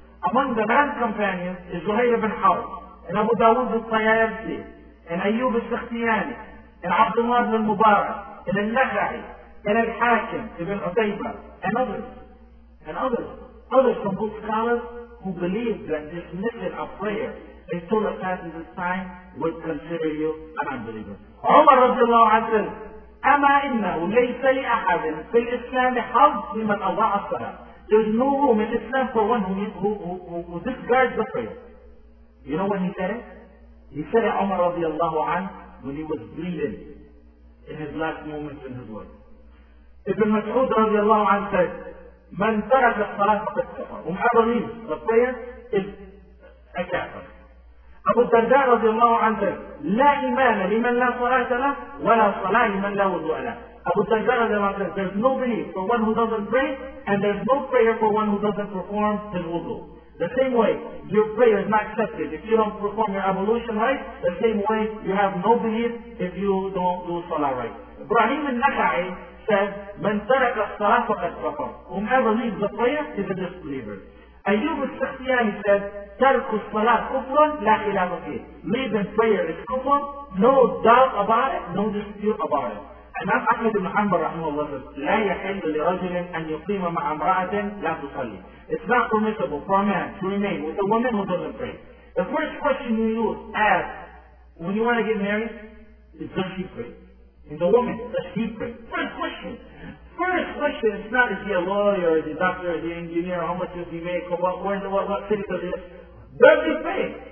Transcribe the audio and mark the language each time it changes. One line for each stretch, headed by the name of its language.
English: Among the man companions is Zuhayr ibn Hawr and Abu Dawud al-Tayyarsi and Ayyub al-Sakhtiyani and Abdullah ibn Mubarak and al-Nakhari and al-Hakim ibn Utaybah and others. And others. Others from book scholars who believe that this missing of prayer until it passes its time would consider you an unbeliever. Umar radiallahu anhu says,
Arabic: أما إنه ليس لأحد في الإسلام حظ لمن أضاع الصلاة.
English: There's no room in Islam for one who disregards the prayer. You know what he said? He said it, Umar radiallahu anhu, when he was bleeding in his last moments in his life. Ibn Mas'ud radiallahu anhu said,
Arabic: من ترك الصلاة فقد كفر.
English: Whomever leaves the prayer is a kafir.
Arabic: أبو الدرداء رضي الله عنه لا إيمان لمن لا صلاة له ولا صلاة لمن لا وضوء له.
English: أبو الدرداء رضي الله عنه says there's no belief for one who doesn't pray and there's no prayer for one who doesn't perform his wudu. The same way your prayer is not accepted if you don't perform your ablution right, the same way you have no belief if you don't do salah right. Ibrahim al-Nakhai said
Arabic: من ترك الصلاة فقد كفر.
English: Whomever leaves the prayer is a disbeliever. Ayyub al-Sakhtiyani said
Arabic: ترك الصلاة كفر لا خلاف فيه.
English: Leaving prayer is kufr, no doubt about it, no dispute about it. Imam Ahmed ibn Hanbal
Arabic: رحمه الله
English: says
Arabic: لا يحل لرجل أن يقيم مع امرأة لا تصلي.
English: It's not permissible for a man to remain with a woman who doesn't pray. The first question you ask when you want to get married is does she pray? And the woman, does she pray? First question. First question is not, is he a lawyer, is he a doctor, is he an engineer, how much does he make, or what city does he live? Does he pray?